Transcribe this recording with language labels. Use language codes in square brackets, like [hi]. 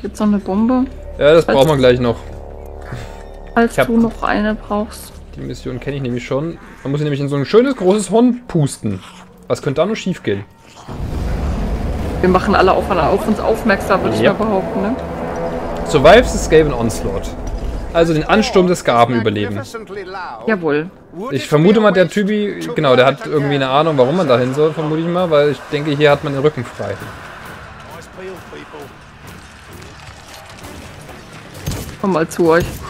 [de] Jetzt noch eine Bombe. Ja, das brauchen wir gleich noch. Falls du noch eine brauchst. Die Mission kenne ich nämlich schon. Man muss nämlich in so ein schönes großes Horn pusten. Was könnte da nur schief gehen? Wir machen alle auf uns aufmerksam, würde ich mal behaupten, ne? [en] Survive the Skaven Onslaught. [de] Also den Ansturm des Skaven überleben. Jawohl. Ich vermute mal, der Typi, genau, der hat irgendwie eine Ahnung, warum man da hin soll, vermute ich mal, weil ich denke, hier hat man den Rücken frei. Komm mal zu euch.